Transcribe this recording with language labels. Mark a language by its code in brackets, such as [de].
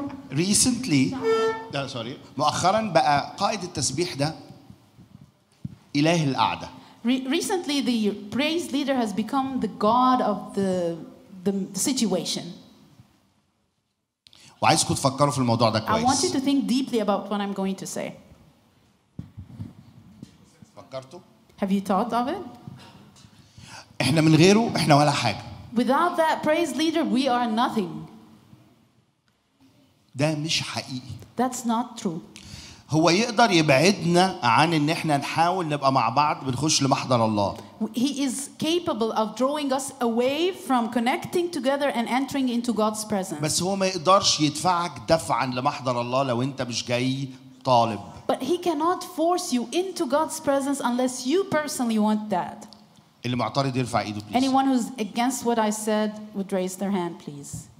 [en] Recently, [ar] مؤخرا بقى قائد التسبيح ده إله القعدة. [en] Recently, the praise leader has become the god of the situation. [ar] وعايزكم تفكروا في الموضوع ده كويس. [en] I want you to think deeply about what I'm going to say. [ar] فكرته؟ [en] Have you thought of it? [ar] احنا من غيره احنا ولا حاجة. [en] Without that praise leader, we are nothing. [ar] ده مش حقيقي. [en] That's not true. [ar] هو يقدر يبعدنا عن ان احنا نحاول نبقى مع بعض بنخش لمحضر الله. [en] He is capable of drawing us away from connecting together and entering into God's presence. [ar] بس هو ما يقدرش يدفعك دفعا لمحضر الله لو انت مش جاي طالب. [en] But he cannot force you into God's presence unless you personally want that. [ar] اللي معترض يرفع ايده please. [en] Anyone who's against what I said would raise their hand please.